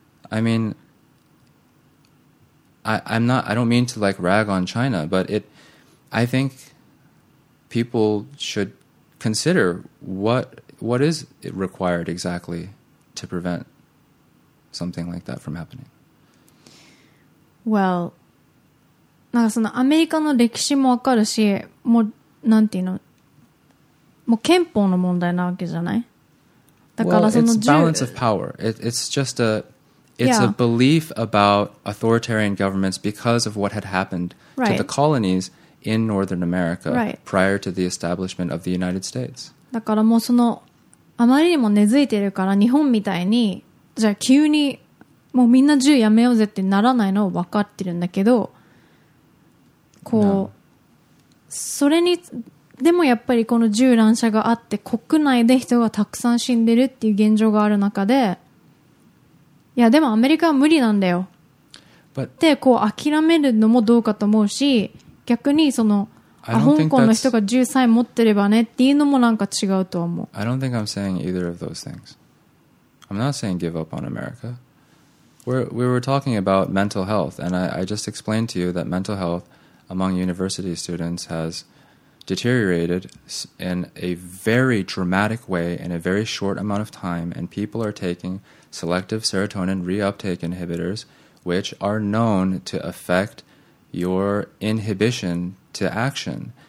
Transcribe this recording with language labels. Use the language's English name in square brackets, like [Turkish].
[English] I mean, I'm not. I don't mean to like rag on China, but it. I think people should consider what is it required exactly to prevent something like that from happening. [Japanese] Well, なんかそのアメリカの歴史もわかるし、もうなんていうの、もう憲法の問題なわけじゃない。だからその銃。 [English] Well, it's balance of power. It's just a belief about authoritarian governments because of what had happened、right. to the colonies in Northern America、 right. prior to the establishment of the United States. [Japanese] だからもうそのあまりにも根付いてるから日本みたいにじゃあ急にもうみんな銃やめようぜってならないのを分かってるんだけど、こう、no. それにでもやっぱりこの銃乱射があって国内で人がたくさん死んでるっていう現状がある中で、いやでもアメリカは無理なんだよ、 [English] But、 [Japanese] ってこう諦めるのもどうかと思うし、逆にその香港の人が銃さえ持ってればねっていうのもなんか違うと思う。 [English] I don't think I'm saying either of those things. I'm not saying give up on America. We were talking about mental health, and I just explained to you that mental health among university students has deteriorated in a very dramatic way in a very short amount of time, and people are taking selective serotonin reuptake inhibitors, which are known to affect your inhibition to action.